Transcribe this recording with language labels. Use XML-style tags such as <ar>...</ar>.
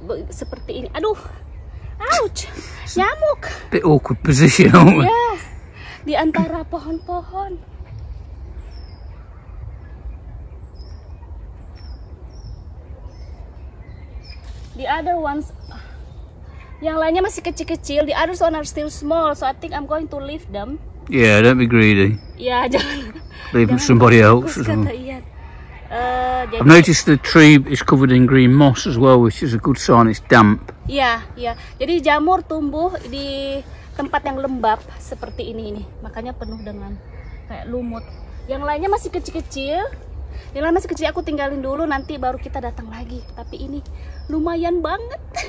<id>Seperti ini. Aduh. Ouch. Nyamuk.</id> <en>Bit awkward position, aren't we?</en> <id>Yeah. Di antara pohon-pohon.</id> <en>The other ones,</en> <id>yang lainnya masih kecil-kecil.</id> <en>The others one are still small, so I think I'm going to leave them. Yeah, don't be greedy.</en> <id>Yeah, jangan.</id> <en>Leave them somebody else. I've noticed the tree is covered in green moss as well, which is a good sign. It's damp. Yeah, yeah.</en> <id>Jadi jamur tumbuh di tempat yang lembab seperti ini nih. Makanya penuh dengan kayak lumut. Yang lainnya masih kecil-kecil. Yang lain masih kecil, aku tinggalin dulu. Nanti baru kita datang lagi. Tapi ini lumayan banget.</id>